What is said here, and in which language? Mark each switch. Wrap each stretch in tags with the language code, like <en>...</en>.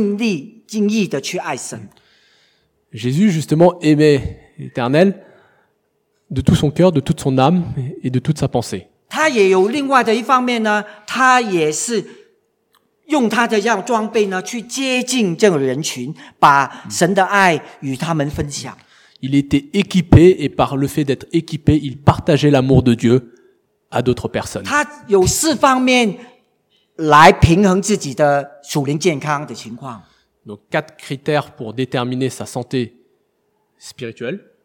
<zh>他在这方面呢，他在这段时间呢，他就尽心尽力尽意的去爱神。</zh> <fr>Jésus, justement, aimait l'Éternel de tout son cœur, de toute son âme et de toute sa pensée.</fr> <zh>他也有另外的一方面呢，他也是用他的这样装备呢，去接近这个人群，把神的爱与他们分享。</zh> <fr>Il était équipé et par le fait d'être équipé, il partageait l'amour de Dieu à d'autres personnes.</fr> <zh>他有4方面来平衡自己的属灵健康的情况。</zh> <fr>Donc 4 critères pour déterminer sa santé spirituelle.</fr>